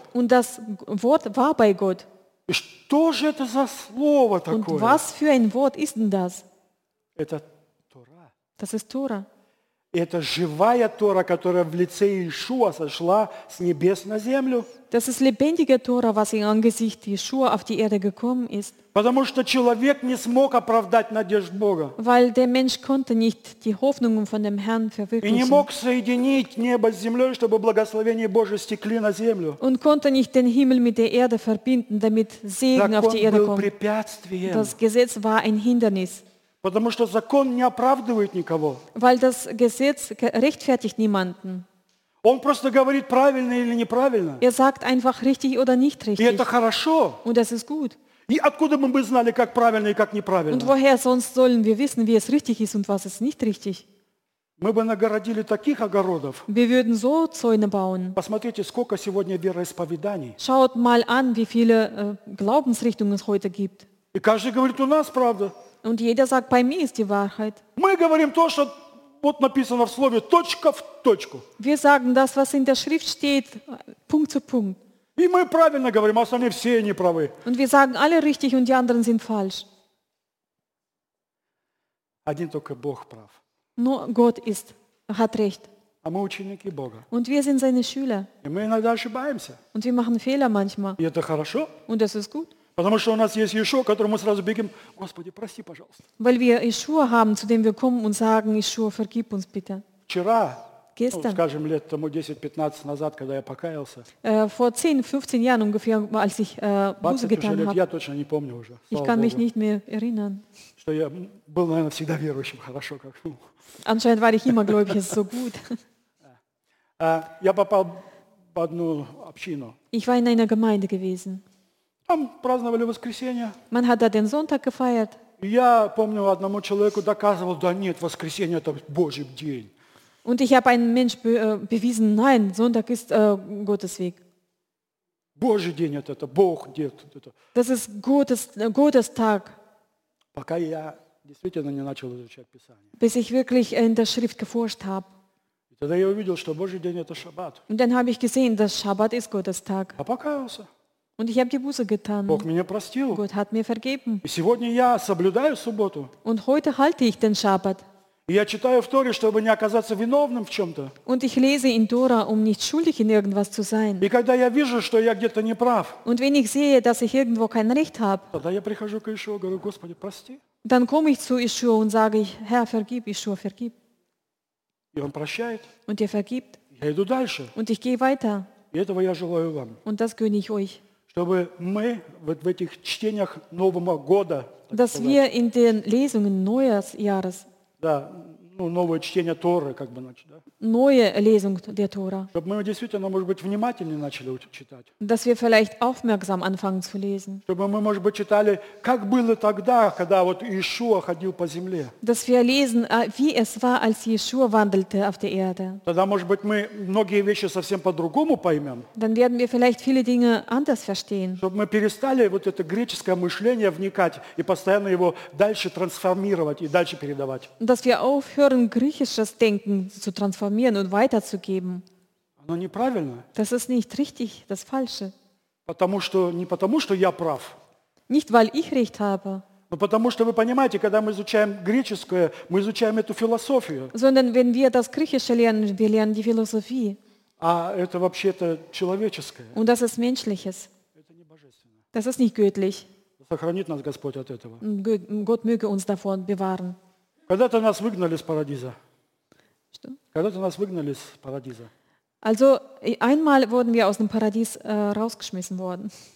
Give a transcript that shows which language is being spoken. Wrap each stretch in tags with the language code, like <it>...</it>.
<de>Und das Wort war bei Gott.</de> <ru>И что же это за слово такое?</ru> <de>Und was für ein Wort ist denn das?</de> <ru>Это Тора.</ru> <de>Das ist Tora.</de> <ru>Это живая Тора, которая в лице Иешуа сошла с небес на землю.</ru> <de>Das ist lebendige Tora, was in Angesicht Иешуа auf die Erde gekommen ist.</de> <ru>Потому что человек не смог оправдать надежд Бога.</ru> <de>Weil der Mensch konnte nicht die Hoffnungen von dem Herrn verwirklichen.</de> <ru>И не мог соединить небо с землей, чтобы благословение Божие стекли на землю.</ru> <de>Und konnte nicht den Himmel mit der Erde verbinden, damit Segen auf die Erde kommt.</de> <ru>Закон был препятствием.</ru> <de>Das Gesetz war ein Hindernis.</de> <ru>Потому что закон не оправдывает никого.</ru> <de>Weil das Gesetz rechtfertigt niemanden.</de> <ru>Он просто говорит правильно или неправильно.</ru> <de>Sagt einfach richtig oder nicht richtig.</de> <ru>И это хорошо.</ru> <de>Und das ist gut.</de> <ru>И откуда мы бы знали, как правильно и как неправильно?</ru> <de>Und woher sonst sollen wir wissen, wie es richtig ist und was es nicht richtig?</de> <ru>Мы бы нагородили таких огородов.</ru> <de>Wir würden so Zäune bauen.</de> <ru>Посмотрите, сколько сегодня вероисповеданий.</ru> <de>Schaut mal an, wie viele Glaubensrichtungen es heute gibt.</de> <ru>И каждый говорит, у нас правда.</ru> <de>Und jeder sagt, bei mir ist die Wahrheit.</de> <ru>Мы говорим то, что вот написано в слове, точка в точку.</ru> <de>Wir sagen das, was in der Schrift steht, Punkt zu Punkt.</de> <ru>И мы правильно говорим, а остальные все неправы.</ru> <de>Und wir sagen alle richtig und die anderen sind falsch.</de> <ru>Один только Бог прав. Но</ru> <de>Gott ist, hat recht.</de> <ru>А мы ученики Бога.</ru> <de>Und wir sind seine Schüler.</de> <ru>И мы иногда ошибаемся.</ru> <de>Und wir machen Fehler manchmal.</de> <ru>И это хорошо.</ru> <de>Und das ist gut.</de> <ru>Потому что у нас есть Иешуа, к которому мы сразу бегим. Господи, прости, пожалуйста.</ru> <de>Weil wir Иешуа haben, zu dem wir kommen und sagen, Иешуа, vergib uns bitte.</de> <ru>Вчера.</ru> <de>Gestern,</de> <ru>скажем, лет тому 10-15 назад, когда я покаялся.</ru> <de>Vor 10-15 Jahren ungefähr, als ich Buße getan habe.</de> <ru>Я точно не помню уже.</ru> <de>Ich kann mich nicht mehr erinnern.</de> <ru>Что я был, наверное, всегда верующим, хорошо как.</ru> <de>Anscheinend war ich immer gläubig, so gut.</de> <ru>Я попал в одну общину.</ru> <de>Ich war in einer Gemeinde gewesen.</de> <ru>Там праздновали воскресенье.</ru> <de>Man hat da den Sonntag gefeiert.</de> <ru>Я помню, одному человеку доказывал, да нет, воскресенье это Божий день.</ru> <de>Und ich habe einen Mensch bewiesen, nein, Sonntag ist Gottes Weg.</de> <ru>Божий день это, Бог где-то.</ru> <de>Das ist Gottes Tag.</de> <ru>Пока я действительно не начал изучать Писание.</ru> <de>Bis ich wirklich in der Schrift geforscht habe.</de> <ru>Тогда я увидел, что Божий день это Шаббат.</ru> <de>Und dann habe ich gesehen, dass Schabbat ist Gottes Tag.</de> <ru>А покаялся.</ru> <de>Und ich habe die Buße getan.</de> <ru>Бог меня простил.</ru> <de>Gott hat mir vergeben.</de> <ru>И сегодня я соблюдаю субботу.</ru> <de>Und heute halte ich den Schabbat.</de> <ru>Я читаю в Торе, чтобы не оказаться виновным в чем-то.</ru> <de>Und ich lese in Tora, um nicht schuldig in irgendwas zu sein.</de> <ru>И когда я вижу, что я где-то не прав.</ru> <de>Und wenn ich sehe, dass ich irgendwo kein Recht habe.</de> <ru>Тогда я прихожу к Иешуа, говорю, Господи, прости.</ru> <de>Dann komme ich zu Иешуа und sage, Herr, vergib, Иешуа, vergib.</de> <ru>И он прощает.</ru> <de>Und er vergibt.</de> <ru>Я иду дальше.</ru> <de>Und ich gehe weiter.</de> <ru>И этого я желаю вам.</ru> <de>Und das gönne ich euch.</de> <ru>Чтобы мы в этих чтениях Нового года.</ru> <de>Dass wir in den Lesungen Neujahrsjahres.</de> <ru>Да, ну, новое чтение Торы, как бы, значит, да?</ru> <de>Neue Lesung der Tora.</de> <ru>Чтобы мы действительно, может быть, внимательнее начали читать.</ru> <de>Dass wir vielleicht aufmerksam anfangen zu lesen.</de> <ru>Чтобы мы, может быть, читали, как было тогда, когда вот Иешуа ходил по земле.</ru> <de>Dass wir lesen, wie es war, als Иешуа wandelte auf der Erde.</de> <ru>Тогда, может быть, мы многие вещи совсем по-другому поймем.</ru> <de>Dann werden wir vielleicht viele Dinge anders verstehen.</de> <ru>Чтобы мы перестали вот это греческое мышление вникать и постоянно его дальше трансформировать и дальше передавать.</ru> <de>Dass wir aufhören, griechisches Denken zu transformieren. Und weiterzugeben. Das ist nicht richtig, das Falsche. Nicht, weil ich recht habe.</de> <ru>Но потому что вы понимаете, когда мы изучаем греческое, мы изучаем эту философию.</ru> <de>Sondern wenn wir das Griechische lernen, wir lernen die Philosophie.</de> <ru>А это вообще-то человеческое.</ru> <de>Und das ist menschliches.</de> <ru>Это не божественное.</ru> <de>Das ist nicht göttlich.</de> <ru>Сохранит нас Господь от этого.</ru> <de>Gott möge uns davon bewahren.</de> <ru>Когда-то нас выгнали с парадиза. Когда-то нас выгнали из парадиза.</ru> <de>Also, einmal wurden wir aus dem Paradies rausgeschmissen worden.</de>